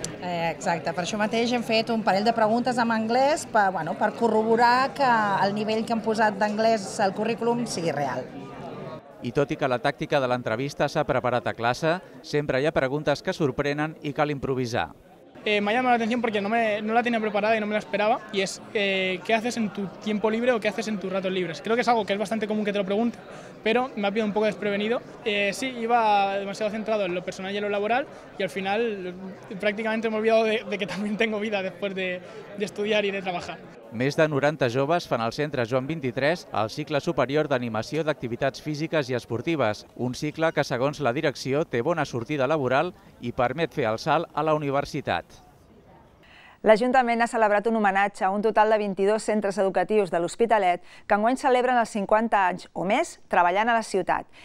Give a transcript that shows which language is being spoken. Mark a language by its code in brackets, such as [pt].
[ca] Exacte, per això mateix hem fet un parell de preguntes en anglès per corroborar que el nivell que han posat d'anglès al currículum sigui real. I tot i que la tàctica de l'entrevista s'ha preparat a classe, sempre hi ha preguntes que sorprenen i cal improvisar. [es] Me ha llamado la atención porque no la tenía preparada y no me la esperaba, y es ¿qué haces en tu tiempo libre o qué haces en tus ratos libres? Creo que es algo que es bastante común que te lo pregunte, pero me ha pillado un poco desprevenido. Sí, iba demasiado centrado en lo personal y en lo laboral, y al final prácticamente me he olvidado de que también tengo vida después de estudiar y de trabajar. [ca] Més de 90 joves fan al Centre Joan 23 el cicle superior d'animació d'activitats físiques i esportives, un cicle que, segons la direcció, té bona sortida laboral i permet fer el salt a la universitat. L'Ajuntament ha celebrat un homenatge a un total de 22 centres educatius de l'Hospitalet que enguany celebren els 50 anys o més treballant a la ciutat.